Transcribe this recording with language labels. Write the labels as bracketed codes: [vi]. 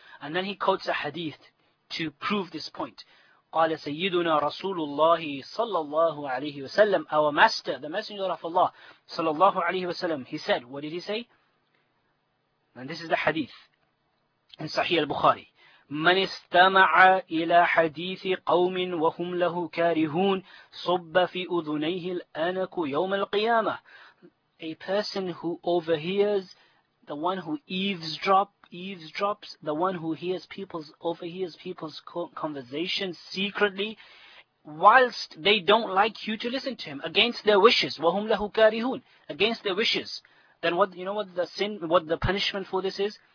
[en] And then he quotes a hadith to prove this point. [ar] قَالَ سَيِّدُنَا رَسُولُ اللَّهِ صَلَّى اللَّهُ عَلَيْهِ وَسَلَّمْ. [en] Our master, the messenger of Allah, [ar] صلى الله عليه وسلم, [en] he said, what did he say? And this is the hadith in Sahih al-Bukhari. [ar] من استمع إلى حديث قوم وهم له كارهون صب في أذنيه الأنك يوم القيامة. [en] A person who overhears, the one who eavesdrops, the one who overhears people's conversations secretly, whilst they don't like you to listen to him, against their wishes. [ar] وهم له كارهون, [en] against their wishes. Then what, you know what the sin, what the punishment for this is?